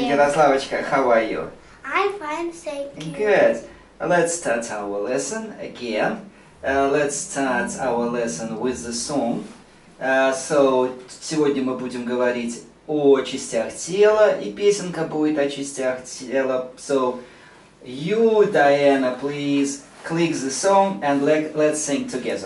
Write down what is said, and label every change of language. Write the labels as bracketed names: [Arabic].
[English] Ярославочка, how are you? I'm fine, thank you. Good. Let's start our lesson again. Let's start our lesson with the song. [Russian] So, сегодня мы будем говорить о частях тела, и песенка будет о частях тела. [English] So, you, Diana, please. Click the song and let's sing together.